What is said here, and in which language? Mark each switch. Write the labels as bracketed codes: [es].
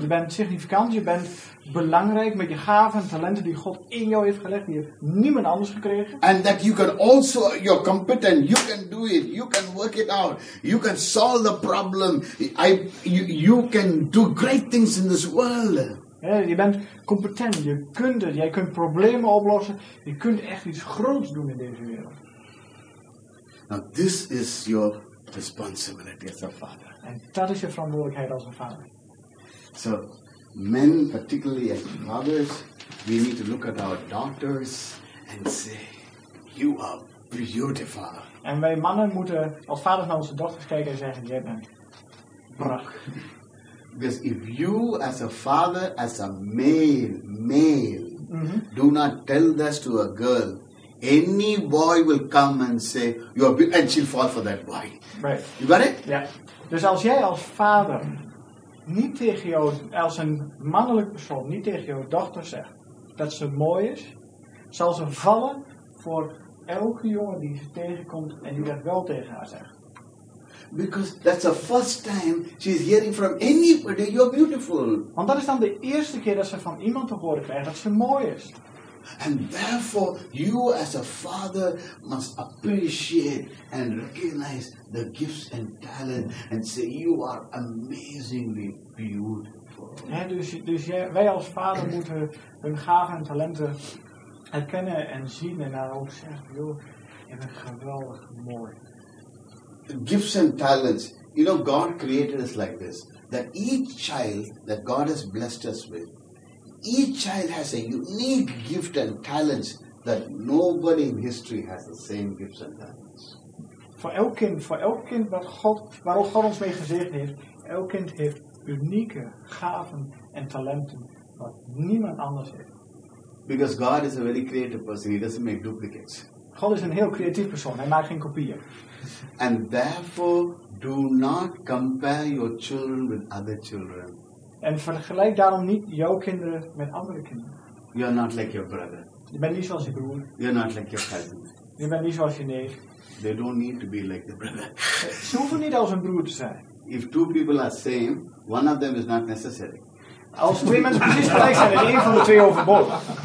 [nl] Je bent significant, je bent belangrijk met je gaven en talenten die God in jou heeft gelegd, die heeft niemand anders gekregen. [en] And that you can also, you're competent, you can do it, you can work it out, you can solve the problem, you can do great things in this world. [nl] Je bent competent, je kunt het, jij kunt problemen oplossen, je kunt echt iets groots doen in deze wereld. [en] Now this is your responsibility as a father. [nl] En dat is je verantwoordelijkheid als een vader. [en] So, men, particularly as mothers, we need to look at our daughters and say, you are beautiful. [nl] En wij mannen moeten als vaders naar onze dochters kijken en zeggen, jij bent prachtig. [en] Because if you as a father, as a male, mm-hmm. do not tell this to a girl, any boy will come and say, you are beautiful, and she'll fall for that boy. Right. You got it? Yeah. [nl] Dus als jij als vader niet tegen jou, als een mannelijk persoon, niet tegen jouw dochter zegt dat ze mooi is, zal ze vallen voor elke jongen die ze tegenkomt en die dat wel tegen haar zegt. [en] Because that's the first time she's hearing from anybody, you're beautiful. [nl] Want dat is dan de eerste keer dat ze van iemand te horen krijgt dat ze mooi is. [en] And therefore, you as a father must appreciate and recognize the gifts and talent and say, you are amazingly beautiful. [nl] Ja, dus wij als vader moeten hun gaven en talenten erkennen en zien en daar ook zeggen, joh, je bent geweldig mooi. [en] Gifts and talents, you know, God created us like this, that each child that God has blessed us with, each child has a unique gift and talents that nobody in history has the same gifts and talents. [nl] Voor elk kind waarop God ons mee gezegend heeft, elk kind heeft unieke gaven en talenten wat niemand anders heeft. [en] Because God is a very creative person, he doesn't make duplicates. [nl] God is een heel creatief persoon, hij maakt geen kopieën. [en] And therefore, do not compare your children with other children. [nl] En vergelijk daarom niet jouw kinderen met andere kinderen. [en] You are not like your brother. [nl] Je bent niet zoals je broer. [en] You are not like your cousin. [nl] Je bent niet zoals je neef. [en] They don't need to be like the brother. [nl] Ze hoeven niet als een broer te zijn. [en] If two people are same, one of them is not necessary. [nl] Als twee mensen precies gelijk zijn, en één van de twee overbodig.